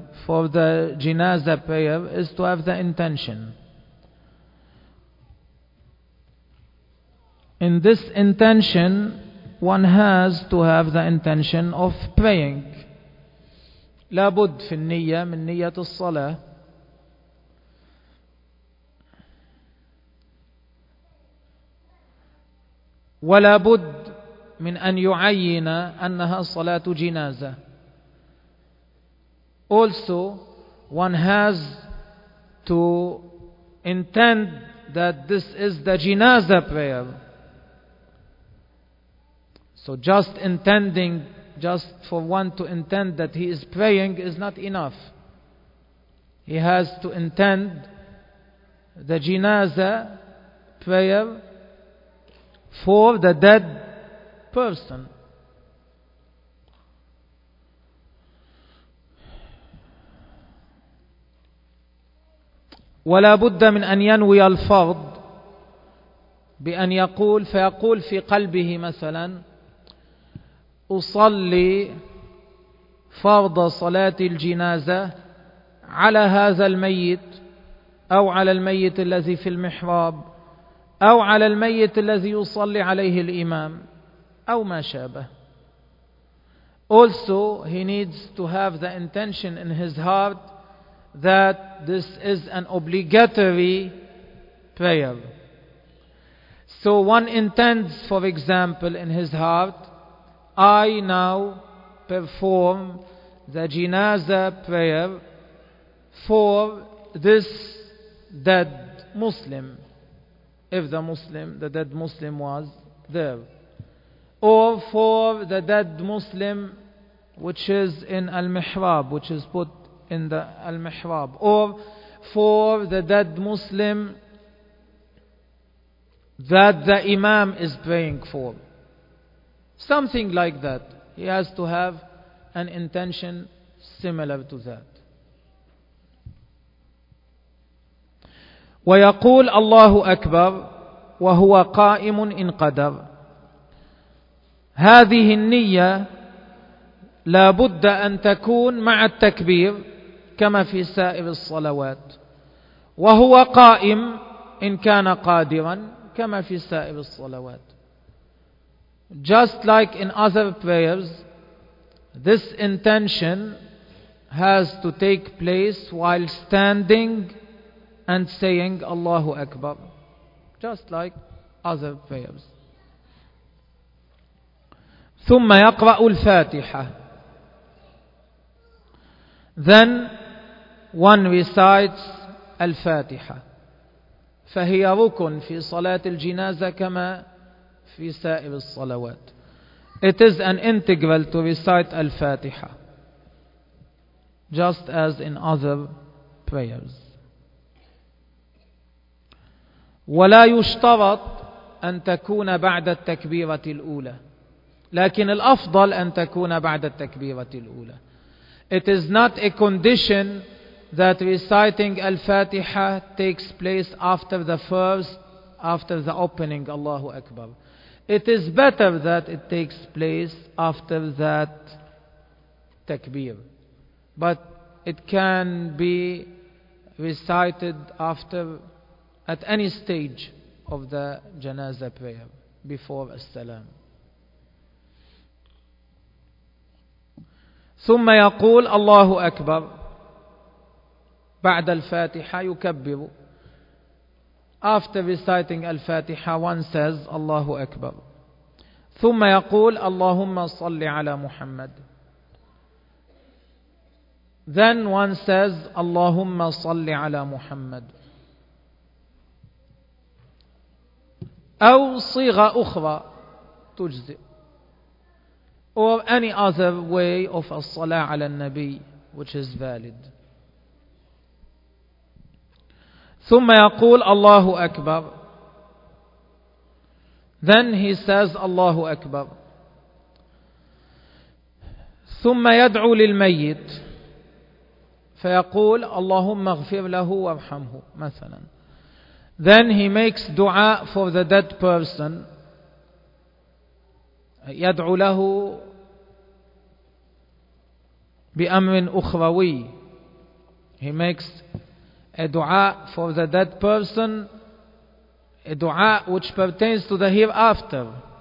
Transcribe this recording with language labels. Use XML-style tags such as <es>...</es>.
<en>for the janazah prayer is to have the intention. In this intention, one has to have the intention of praying.</en> <ar>لا بد في النية من نية الصلاة. ولا بد من أن يعين أنها صلاة جنازة.</ar> <en>Also, one has to intend that this is the janazah prayer. So just intending, just for one to intend that he is praying is not enough. He has to intend the janazah prayer for the dead person.</en> <ar>ولا بد من أن ينوي الفرض بأن يقول فيقول في قلبه مثلا أصلي فرض صلاة الجنازة على هذا الميت أو على الميت الذي في المحراب أو على الميت الذي يصلي عليه الإمام أو ما شابه.</ar> <en>Also, he needs to have the intention in his heart that this is an obligatory prayer. So one intends, for example, in his heart, I now perform the janazah prayer for this dead Muslim, if the dead Muslim was there, or for the dead Muslim which is in al-mihrab, which is put in the al-mihrab, or for the dead Muslim that the imam is praying for, something like that. He has to have an intention similar to that.</en> <ar>ويقول الله أكبر وهو قائم إن قدر. هذه النية لا بد أن تكون مع التكبير كما في سائر الصلوات، وهو قائم إن كان قادرا كما في سائر الصلوات.</ar> <en>Just like in other prayers, this intention has to take place while standing and saying Allahu Akbar, just like other prayers.</en> <ar>ثم يقرأ الفاتحة.</ar> <en>Then one recites الفاتحة.</en> <ar>فهي ركن في صلاة الجنازة كما في سائر الصلوات.</ar> <en>It is an integral to recite الفاتحة, just as in other prayers.</en> <ar>ولا يشترط أن تكون بعد التكبيرة الأولى, لكن الأفضل أن تكون بعد التكبيرة الأولى.</ar> <en>It is not a condition that reciting Al-Fatiha takes place after the opening Allahu Akbar. It is better that it takes place after that takbir. But it can be recited after, at any stage of the janazah prayer, before as-salam.</en> <ar>ثم يقول الله أكبر بعد الفاتحة يكبر.</ar> <en>After reciting الفاتحة, one says الله أكبر.</en> <ar>ثم يقول اللهم صل على محمد.</ar> <en>Then one says</en> <ar>اللهم صل على محمد. أو صيغة أخرى تجزئ.</ar> <en>Or any other way of as-salā 'ala an-nabī, which is valid.</en> <ar>ثم يقول الله أكبر.</ar> <en>Then he says الله أكبر.</en> <ar>ثم يدعو للميت فيقول اللهم اغفر له وارحمه مثلا.</ar> <en>Then he makes dua for the dead person.</en> <ar>يدعو له بأمر أخروي</ar> <en>He makes a dua for the dead person, a dua which pertains to the hereafter.</en>